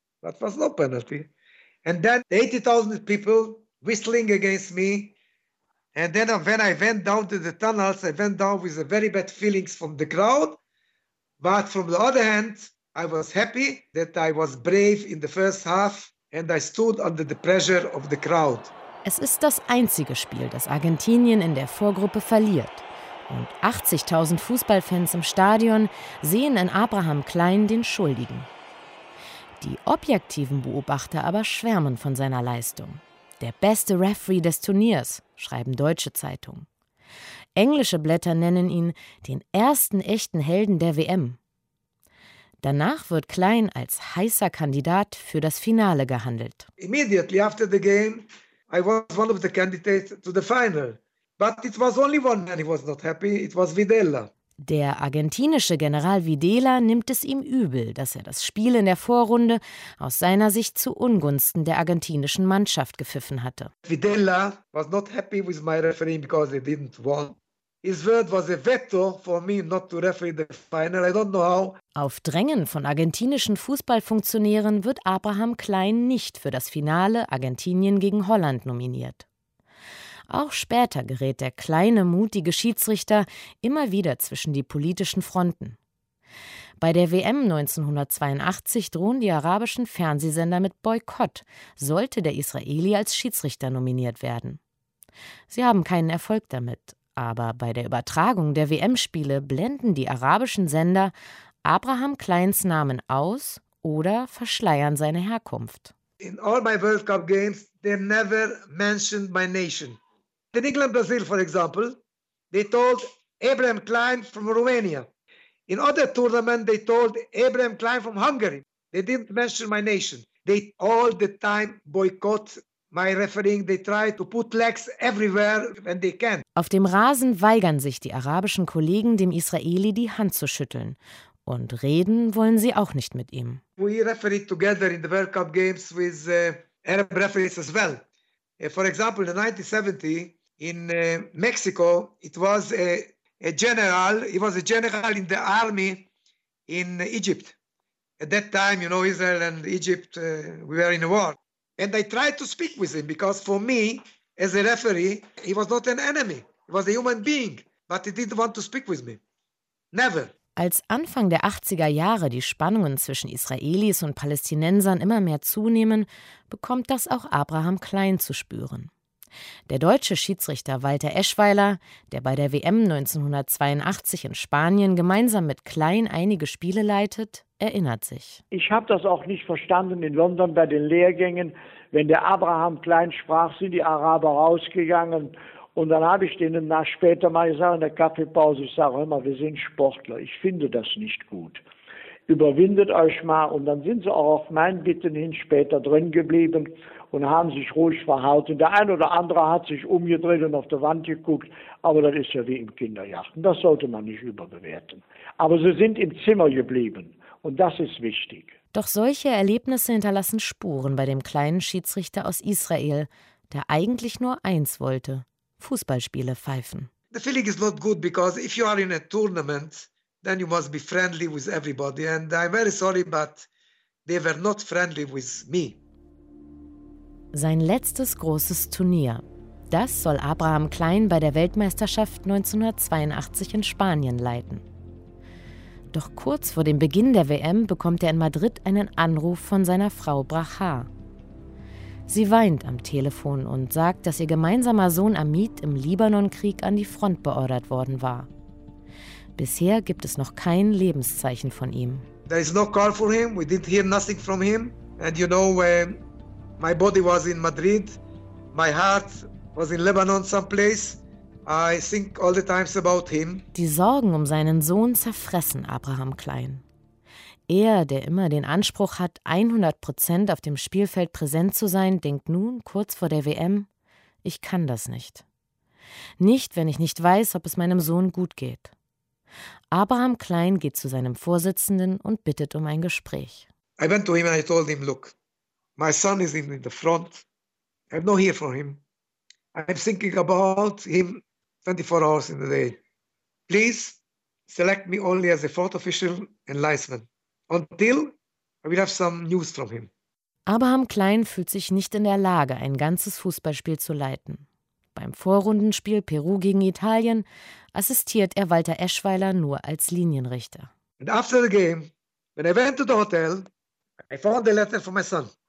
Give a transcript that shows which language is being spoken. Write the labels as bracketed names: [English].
[English] That was no penalty. And then 80,000 people whistling against me. And then when I went down to the tunnels, I went down with a very bad feelings from the crowd. But from the other hand, I was happy that I was brave in the first half and I stood under the pressure of the crowd. [German] Es ist das einzige Spiel, das Argentinien in der Vorgruppe verliert. Und 80.000 Fußballfans im Stadion sehen in Abraham Klein den Schuldigen. Die objektiven Beobachter aber schwärmen von seiner Leistung. Der beste Referee des Turniers, schreiben deutsche Zeitungen. Englische Blätter nennen ihn den ersten echten Helden der WM. Danach wird Klein als heißer Kandidat für das Finale gehandelt. [English] Immediately after the game, I was one of the candidates to the final. But it was only one man who was not happy, it was Videla. [German] Der argentinische General Videla nimmt es ihm übel, dass er das Spiel in der Vorrunde aus seiner Sicht zu Ungunsten der argentinischen Mannschaft gepfiffen hatte. [English] Videla was not happy with my refereeing because he didn't want. His word was a veto for me not to referee the final. I don't know how. [German] Auf Drängen von argentinischen Fußballfunktionären wird Abraham Klein nicht für das Finale Argentinien gegen Holland nominiert. Auch später gerät der kleine, mutige Schiedsrichter immer wieder zwischen die politischen Fronten. Bei der WM 1982 drohen die arabischen Fernsehsender mit Boykott, sollte der Israeli als Schiedsrichter nominiert werden. Sie haben keinen Erfolg damit. Aber bei der Übertragung der WM-Spiele blenden die arabischen Sender Abraham Kleins Namen aus oder verschleiern seine Herkunft. [English] In all my World Cup games, they never mentioned my nation. In England, Brazil, for example, they told Abraham Klein from Romania. In other tournaments, they told Abraham Klein from Hungary. They didn't mention my nation. They all the time boycott my refereeing. They try to put legs everywhere when they can. [German] Auf dem Rasen weigern sich die arabischen Kollegen, dem Israeli die Hand zu schütteln. Und reden wollen sie auch nicht mit ihm. [English] We refereed together in the World Cup games with Arab referees as well. For example, in 1970 in Mexico, it was a general. He was a general in the army in Egypt. At that time, you know, Israel and Egypt, we were in a war. And I tried to speak with him because for me, as a referee, he was not an enemy. He was a human being, but he didn't want to speak with me. Never. [German] Als Anfang der 80er Jahre die Spannungen zwischen Israelis und Palästinensern immer mehr zunehmen, bekommt das auch Abraham Klein zu spüren. Der deutsche Schiedsrichter Walter Eschweiler, der bei der WM 1982 in Spanien gemeinsam mit Klein einige Spiele leitet, erinnert sich. Ich habe das auch nicht verstanden in London bei den Lehrgängen. Wenn der Abraham Klein sprach, sind die Araber rausgegangen. Und dann habe ich denen nach später mal gesagt, in der Kaffeepause, ich sage immer, wir sind Sportler, ich finde das nicht gut. Überwindet euch mal. Und dann sind sie auch auf meinen Bitten hin später drin geblieben und haben sich ruhig verhalten. Der ein oder andere hat sich umgedreht und auf der Wand geguckt. Aber das ist ja wie im Kindergarten. Das sollte man nicht überbewerten. Aber sie sind im Zimmer geblieben. Und das ist wichtig. Doch solche Erlebnisse hinterlassen Spuren bei dem kleinen Schiedsrichter aus Israel, der eigentlich nur eins wollte: Fußballspiele pfeifen. [English] The feeling is not good because if you are in a tournament, then you must be friendly with everybody. And I'm very sorry, but they were not friendly with me. [German] Sein letztes großes Turnier. Das soll Abraham Klein bei der Weltmeisterschaft 1982 in Spanien leiten. Doch kurz vor dem Beginn der WM bekommt er in Madrid einen Anruf von seiner Frau Brajá. Sie weint am Telefon und sagt, dass ihr gemeinsamer Sohn Amit im Libanonkrieg an die Front beordert worden war. Bisher gibt es noch kein Lebenszeichen von ihm. [English] There is no call for him. We didn't hear nothing from him. And you know, my body was in Madrid. My heart was in Lebanon someplace. I think all the times about him. [German] Die Sorgen um seinen Sohn zerfressen Abraham Klein. Er, der immer den Anspruch hat, 100% auf dem Spielfeld präsent zu sein, denkt nun, kurz vor der WM, ich kann das nicht. Nicht, wenn ich nicht weiß, ob es meinem Sohn gut geht. Abraham Klein geht zu seinem Vorsitzenden und bittet um ein Gespräch. [English] I went to him and I told him, look, my son is in the front. I'm not here for him. I'm thinking about him 24 hours in the day. Please select me only as a fourth official and linesman. Until I will have some news from him. [German] Abraham Klein fühlt sich nicht in der Lage, ein ganzes Fußballspiel zu leiten. Beim Vorrundenspiel Peru gegen Italien assistiert er Walter Eschweiler nur als Linienrichter. [English] And after the game, when I went to the hotel, I found a letter for my son.